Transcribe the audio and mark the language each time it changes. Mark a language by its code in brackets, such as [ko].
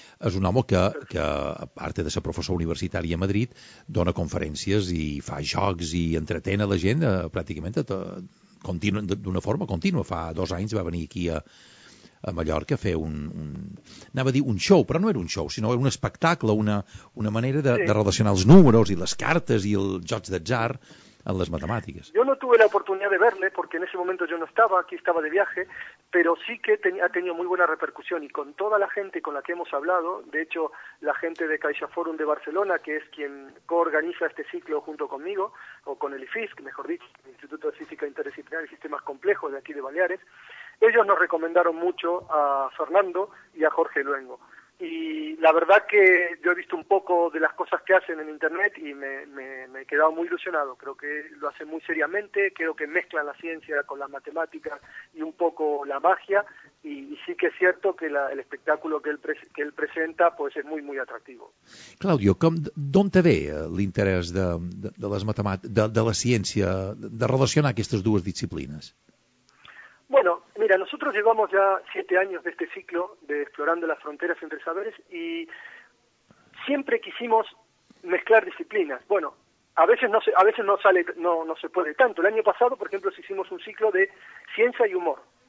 [ca] És un home que a part de ser professor universitari a Madrid, dona conferències i fa jocs i entretén a la gent pràcticament d'una forma contínua. Fa dos anys va venir aquí a Mallorca fer un show, però no era un show, sinó era un espectacle, una manera de relacionar els números i les cartes i els jocs d'atzar en les matemàtiques. [es] Yo no tuve la oportunidad de verle porque en ese momento yo no estaba, aquí estaba de viaje, pero sí que ha tenido muy buena repercusión y con toda la gente con la que hemos hablado, de hecho la gente de CaixaForum de Barcelona, que es quien coorganiza este ciclo junto conmigo, o con el IFISC, mejor dicho, el Instituto de Física Interdisciplinar y Sistemas Complejos de aquí de Baleares, ellos nos recomendaron mucho a Fernando y a Jorge Luengo. Y la verdad que yo he visto un poco de las cosas que hacen en Internet y me he quedado muy ilusionado. Creo que lo hacen muy seriamente, creo que mezclan la ciencia con las matemáticas y un poco la magia. Y sí que es cierto que el espectáculo que él presenta pues es muy, muy atractivo. [ca] Claudio, ¿d'on te ve l'interès de la ciència, de relacionar aquestes dues disciplines? [es] Bueno, mira, nosotros llevamos ya 7 años de este ciclo de Explorando las Fronteras entre Saberes y siempre quisimos mezclar disciplinas. Bueno, a veces no se puede tanto. El año pasado, por ejemplo, hicimos un ciclo de ciencia y humor.